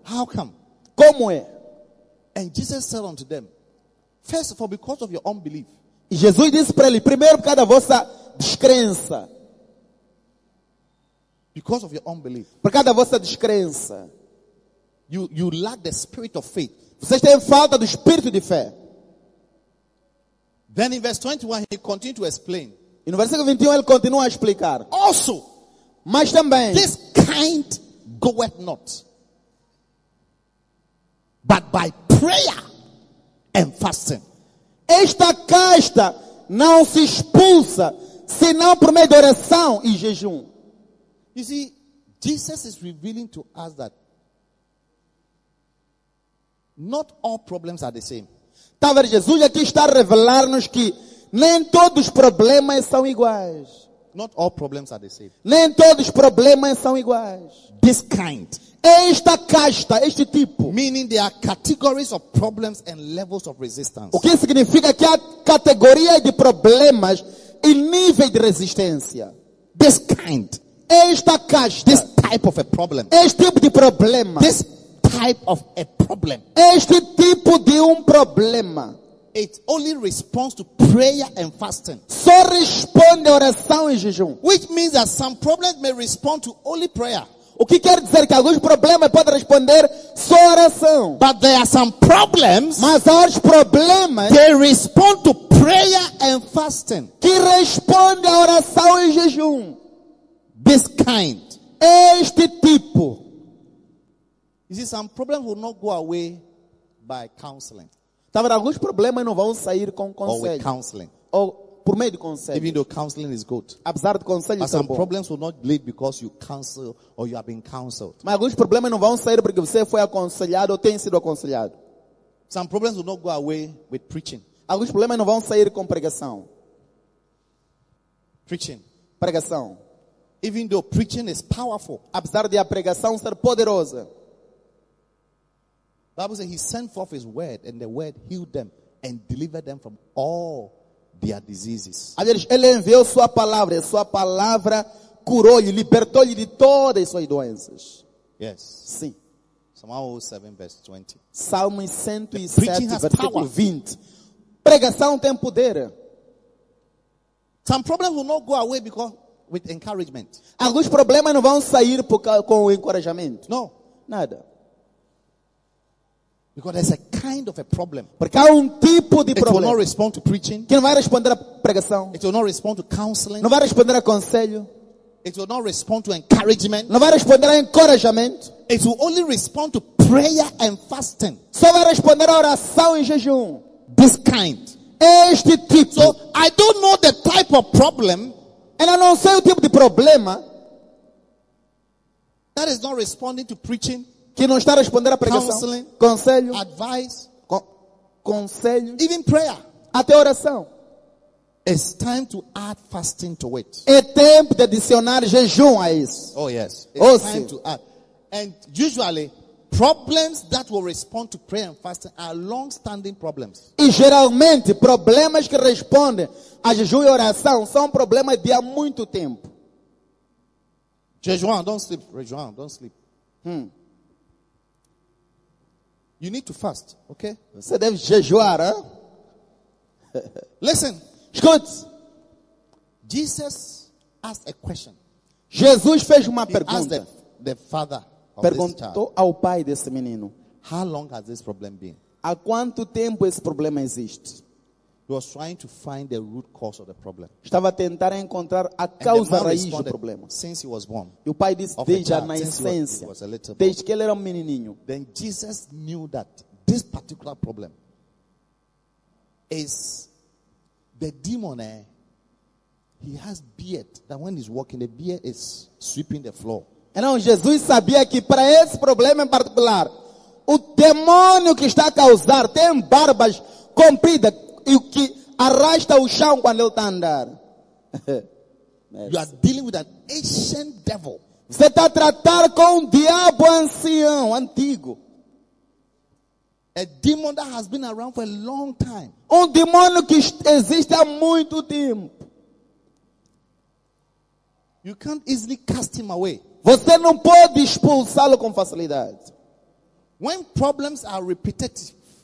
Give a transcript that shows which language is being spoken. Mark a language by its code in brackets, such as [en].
[en] How come? [pt] Como é? [en] And Jesus said unto them, first of all, because of your unbelief. [pt] E Jesus disse para ele: primeiro por causa da vossa descrença. [en] Because of your unbelief. [pt] Por causa da vossa descrença. [en] You lack the spirit of faith. [pt] Vocês têm falta do espírito de fé. [en] Then in verse 21 he continued to explain. [pt] E no versículo 21 ele continua a explicar. [en] Also, [pt] mas também, [en] this kind goeth not, but by prayer and fasting. [pt] Esta casta não se expulsa senão por meio de oração e jejum. [en] You see, Jesus is revealing to us that not all problems are the same. [pt] Tá vendo, Jesus aqui está a revelar-nos que nem todos os problemas são iguais. [en] Not all problems are the same. [pt] Nem todos os problemas são iguais. [en] This kind. [pt] Esta casta, este tipo. [en] Meaning there are categories of problems and levels of resistance. [pt] O que significa que há categorias de problemas e níveis de resistência. [en] This kind. [pt] Esta casta. [en] This type of a problem. [pt] Este tipo de problema. [en] This type of a problem. [pt] Este tipo de problema. [en] It only responds to prayer and fasting. [pt] Só responde a oração e jejum. [en] Which means that some problems may respond to only prayer. [pt] O que quer dizer que alguns problemas podem responder só a oração. [en] But there are some problems. [pt] Mas há os problemas. [en] They respond to prayer and fasting. [pt] Que responde a oração e jejum. [en] This kind. [pt] Este tipo. [en] You see, some problems will not go away by counseling. [pt] Talvez alguns problemas não vão sair com conselho. [en] Or with counseling. [pt] Ou por meio de conselho. [en] Even though counseling is good. [pt] Apesar de conselho ser bom. [en] But some problems will not leave because you counsel or you have been counseled. [pt] Mas alguns problemas não vão sair porque você foi aconselhado ou tem sido aconselhado. [en] Some problems will not go away with preaching. [pt] Alguns problemas não vão sair com pregação. [en] Preaching. [pt] Pregação. [en] Even though preaching is powerful. [pt] Apesar de a pregação ser poderosa. [en] Bible says he sent forth his word and the word healed them and delivered them from all their diseases. [pt] Aliás, ele enviou sua palavra curou-lhe, libertou-lhe de todas as suas doenças. [en] Yes. [pt] Sim. [en] Psalm 107 verse 20. [pt] Salmo 107 versículo 20. Pregação tem poder. [en] Some problems will not go away because with encouragement. [pt] Alguns problemas não vão sair com o encorajamento. [en] No. [pt] Nada. [en] Because there's a kind of a problem. [pt] Porque há tipo de problema. [en] It will not respond to preaching. [pt] Que não vai responder à pregação. [en] It will not respond to counseling. [pt] Não vai responder a conselho. [en] It will not respond to encouragement. [pt] Não vai responder a encorajamento. [en] It will only respond to prayer and fasting. [pt] Só vai responder a oração e jejum. [en] This kind. [pt] Este tipo. [en] So I don't know the type of problem. And I don't say [pt] o tipo de problema. [en] That is not responding to preaching. [pt] Que não está a responder à pregação, conselho, [en] advice, [pt] conselho, [en] even prayer, [pt] até oração. [en] It's time to add fasting to it. [pt] É tempo de adicionar jejum a isso. [en] Oh yes. It's time to add. And usually, problems that will respond to prayer and fasting are long-standing problems. [pt] E geralmente, problemas que respondem a jejum e oração são problemas de há muito tempo. [en] Jejum, don't sleep. Jejum, don't sleep. You need to fast, okay? [pt] Você deve jejuar, hein? [en] Listen. [pt] Escute. [en] Jesus asked a question. [pt] Jesus fez uma [en] he [pt] pergunta. [en] Asked the father of [pt] perguntou [en] this child, [pt] ao pai desse menino. [en] How long has this problem been? [pt] Há quanto tempo esse problema existe? [en] He was trying to find the root cause of the problem. [pt] Estava a tentar encontrar a causa raiz do problema. [en] Since he was born. [pt] E o pai disse desde a nascença. Desde que ele era menininho. [en] Then Jesus knew that this particular problem is the demon. He has beard. That when he's walking, the beard is sweeping the floor. [pt] Então Jesus sabia que para esse problema em particular, o demônio que está a causar tem barbas compridas. E o que arrasta o chão quando ele está a andar. [en] You are dealing with an ancient devil. [pt] Você está a tratar com um diabo ancião, antigo. [en] A demon that has been around for a long time. [pt] Um demônio que existe há muito tempo. [en] You can't easily cast him away. [pt] Você não pode expulsá-lo com facilidade. [en] When problems are repetitive,